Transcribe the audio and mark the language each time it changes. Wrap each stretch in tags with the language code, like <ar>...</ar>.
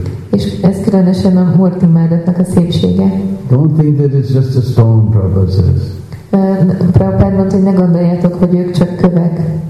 <hu>És ez különösen a Murti imádatnak a szépsége.</hu> <en>Don't think that it's just a stone, Prabhupád says.</en> <hu>Prabhupád mondta, hogy ne gondoljátok, hogy ők csak kövek.</hu>